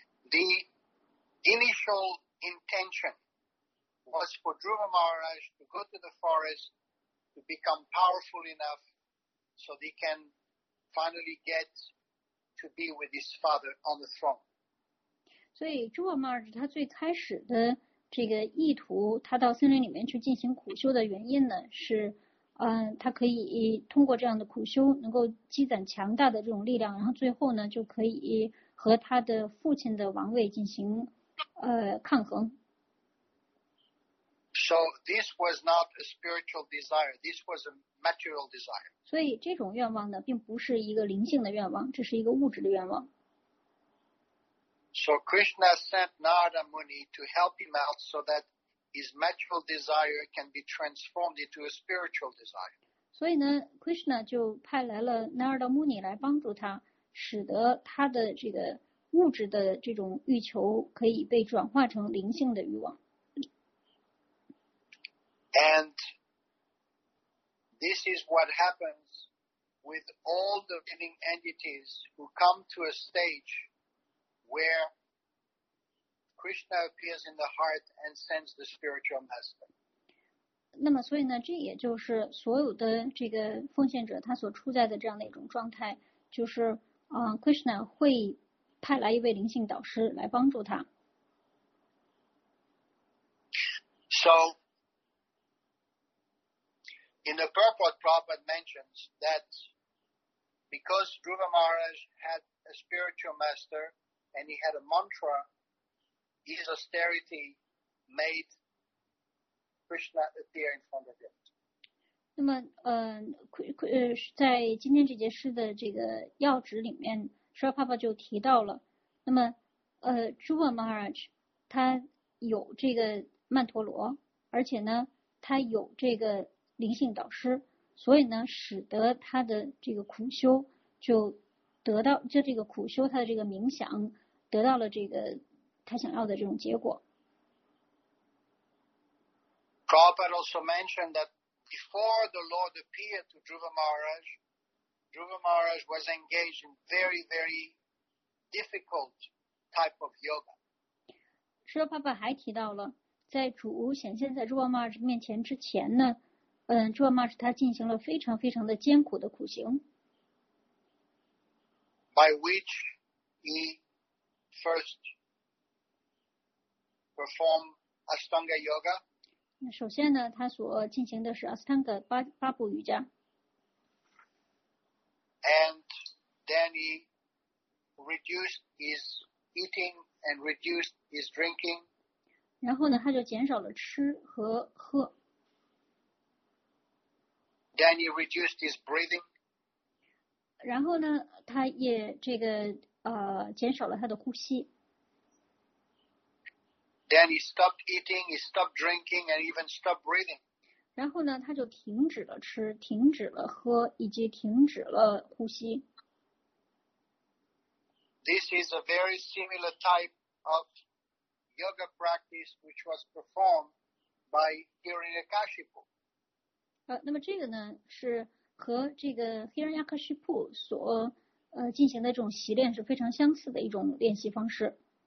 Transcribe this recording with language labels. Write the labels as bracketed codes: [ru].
[en] The initial intention was for Dhruva Maharaj to go to the forest to become powerful enough so he can finally get to be with his father on the throne. [zh] 所以 Dhruva Maharaj 他最开始的这个意图，他到森林里面去进行苦修的原因呢，是他可以通过这样的苦修能够积攒强大的这种力量，然后最后呢就可以和他的父亲的王位进行抗衡。 [en] So this was not a spiritual desire, this was a material desire. [zh] 所以这种愿望呢并不是一个灵性的愿望，这是一个物质的愿望。 [en] So Krishna sent Narada Muni to help him out so that his material desire can be transformed into a spiritual desire. [zh] 所以呢 ,Krishna 就派来了 Narada Muni 来帮助他，使得他的这个物质的这种欲求可以被转化成灵性的欲望。 [en] And this is what happens with all the living entities who come to a stage where Krishna appears in the heart and sends the spiritual master. [zh] 那么所以呢，这也就是所有的这个奉献者他所处在的这样的一种状态，就是Krishna 会派来一位灵性导师来帮助他。 [en] So, in the purport, Prabhupada mentions that because Dhruva Maharaj had a spiritual master,And he had a mantra, his austerity made Krishna appear in front of him. [zh] 那么在今天这节诗的这个要旨里面，沙帕帕就提到了，那么Dhruva Maharaj 他有这个曼陀罗，而且呢他有这个灵性导师，所以呢使得他的这个苦修就得到，就这个苦修他的这个冥想得到了这个他想要的这种结果。 [en] Prabhupada also mentioned that before the Lord appeared to Dhruva Maharaj, Dhruva Maharaj was engaged in very, very difficult type of yoga. [zh] Srila Prabhupada 还提到了，在主显现在 Dhruva Maharaj 面前之前呢，Dhruva Maharaj 他进行了非常非常的艰苦的苦行。 [en] By which he first performed Ashtanga Yoga. [zh] 首先呢，他所进行的是 Ashtanga 八步瑜伽。 [en] And then he reduced his eating and reduced his drinking. [zh] 然后呢，他就减少了吃和喝。 [en] Then he reduced his breathing. [zh] 然后呢，他也这个减少了他的呼吸。 [en] Then he stopped eating, he stopped drinking, and even stopped breathing. [zh] 然后呢，他就停止了吃，停止了喝，以及停止了呼吸。 [en] This is a very similar type of yoga practice which was performed by Hiranyakashipu. [zh] 那么这个呢，是和这个 Hiranyakashipu 所进行的这种习练是非常相似的一种练习方式。